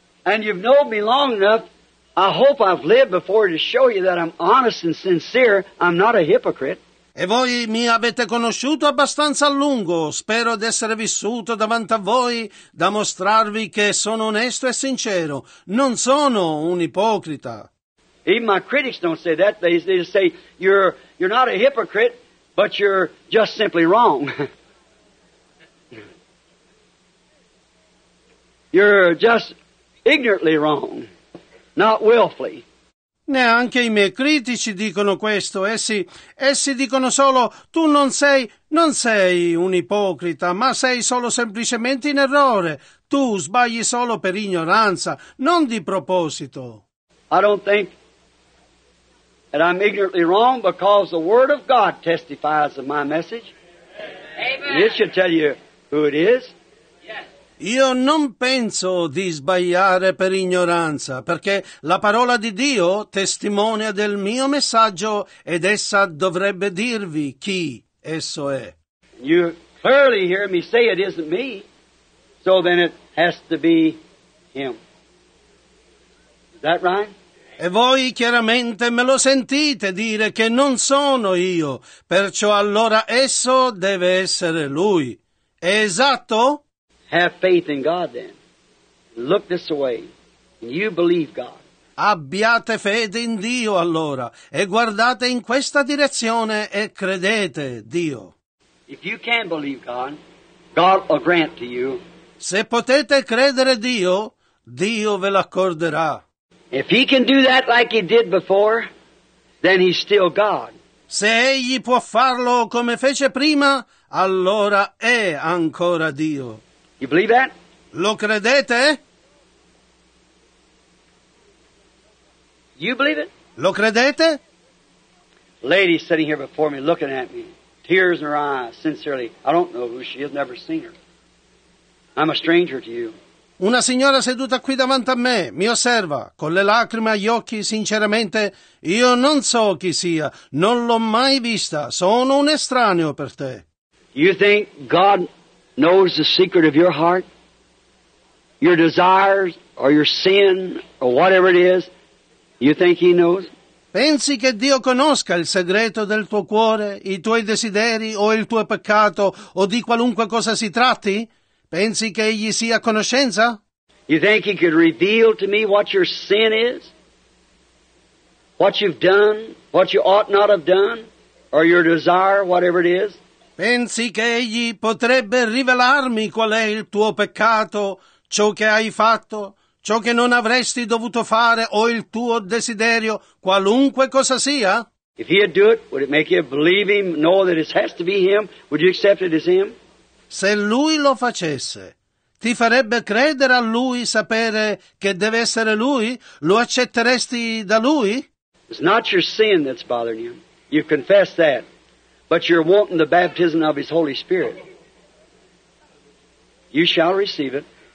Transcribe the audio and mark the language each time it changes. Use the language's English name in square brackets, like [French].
[English] And you've known me long enough, I hope I've lived before to show you that I'm honest and sincere, I'm not a hypocrite. [Italian] E voi mi avete conosciuto abbastanza a lungo, spero di essere vissuto davanti a voi da mostrarvi che sono onesto e sincero, non sono un ipocrita. [English] Even my critics don't say that, they just say, you're not a hypocrite, but you're just simply wrong. You're just ignorantly wrong, not willfully. [Italian] Neanche i miei critici dicono questo, essi dicono solo, tu non sei un ipocrita, ma sei solo semplicemente in errore, tu sbagli solo per ignoranza, non di proposito. [English] I don't think that I'm ignorantly wrong because the Word of God testifies of my message. Amen. It should tell you who it is. [Italian] Io non penso di sbagliare per ignoranza, perché la parola di Dio testimonia del mio messaggio ed essa dovrebbe dirvi chi esso è. [English] You clearly hear me say it isn't me, so then it has to be him. Is that right? [Italian] E voi chiaramente me lo sentite dire che non sono io, perciò allora esso deve essere lui. È esatto? [English] Have faith in God then. Look this way. And you believe God. [Italian] Abbiate fede in Dio allora e guardate in questa direzione e credete Dio. [English] If you can believe God, God will grant to you. [Italian] Se potete credere Dio, Dio ve l'accorderà. [English] If he can do that like he did before, then he's still God. [Italian] Se egli può farlo come fece prima, allora è ancora Dio. [English] You believe that? [Italian] Lo credete? [English] You believe it? [Italian] Lo credete? [English] Lady sitting here before me looking at me, tears in her eyes, sincerely. I don't know who she is, never seen her. I'm a stranger to you. [Italian] Una signora seduta qui davanti a me, mi osserva, con le lacrime agli occhi, sinceramente, io non so chi sia, non l'ho mai vista, sono un estraneo per te. [English] You think God knows the secret of your heart, your desires, or your sin, or whatever it is, you think he knows? [Italian] Pensi che Dio conosca il segreto del tuo cuore, i tuoi desideri, o il tuo peccato, o di qualunque cosa si tratti? Pensi che egli sia a conoscenza? [English] You think he could reveal to me what your sin is? What you've done, what you ought not have done, or your desire, whatever it is? [Italian] Pensi che egli potrebbe rivelarmi qual è il tuo peccato, ciò che hai fatto, ciò che non avresti dovuto fare o il tuo desiderio, qualunque cosa sia? [English] If he'd do it, would it make you believe him, know that it has to be him? Would you accept it as him? [Italian] Se lui lo facesse, ti farebbe credere a lui, sapere che deve essere lui? Lo accetteresti da lui? [English] It's not your sin that's bothering you. You've confessed that. But you're wanting the baptism of his Holy Spirit. You shall receive it.